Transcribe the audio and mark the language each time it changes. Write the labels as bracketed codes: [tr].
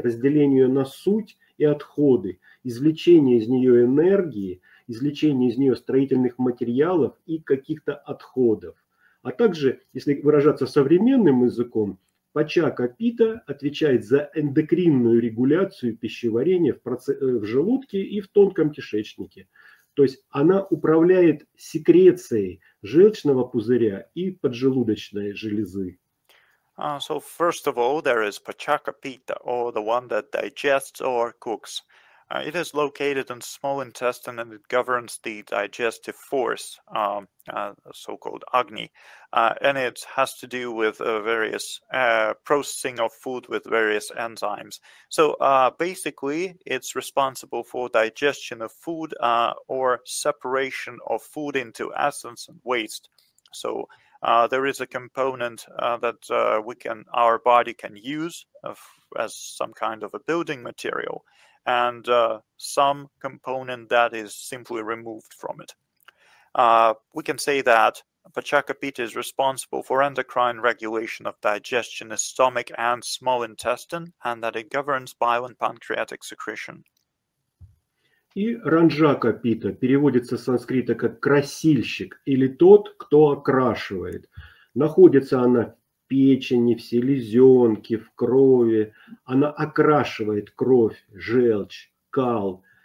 [ru] Разделение ее на суть и отходы, извлечение из нее энергии, извлечение из нее строительных материалов и каких-то отходов. А также, если выражаться современным языком, Пачакапита отвечает за эндокринную регуляцию пищеварения в желудке и в тонком кишечнике. То есть она управляет секрецией желчного пузыря и поджелудочной железы. [en] So first of all, there is Pachakapita, or the one that digests or cooks. It is located in small intestine and it governs the digestive force, so-called Agni. And it has to do with various processing of food with various enzymes. So basically, it's responsible for digestion of food or separation of food into acids and waste. So there is a component that our body can use as some kind of a building material. And some component that is simply removed from it. We can say that Pachakapita is responsible for endocrine regulation of digestion in stomach and small intestine, and that it governs bile and pancreatic secretion. [ru] И Ранджакапита переводится с санскрита как красильщик или тот, кто окрашивает. Находится она в печени, в селезенке, в крови. Она окрашивает кровь, желчь, кал.